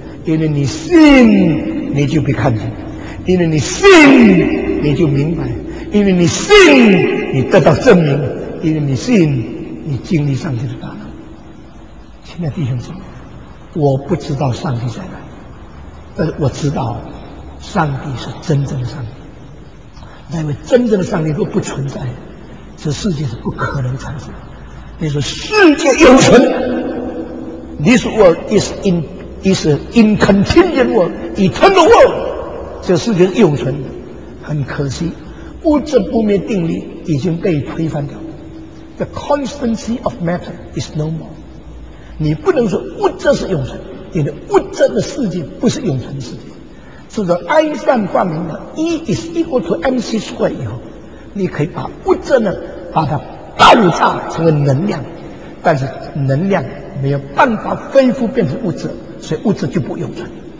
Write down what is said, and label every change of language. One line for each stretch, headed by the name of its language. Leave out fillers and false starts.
Chinese: 因为你信你就被看见，因为你信你就明白，因为你信你得到证明，因为你信你经历上帝的大能。亲爱的弟兄姊妹，我不知道上帝在哪，但是我知道上帝是真正的上帝。那位真正的上帝若不存在，这世界是不可能产生。你说世界有存，
English: This world is an incontinent world, eternal world，
Chinese: 这世界是有存的。很可惜，物质不灭定律已经被推翻掉，
English: The constancy of matter is no more。
Chinese: 你不能说物质是有存，因为物质的世界不是有存世界。这个爱因斯坦发明的
English: E is equal to MC square
Chinese: 以后，你可以把物质呢把它爆炸成为能量，但是能量没有办法恢复变成物质，所以物质就不永存。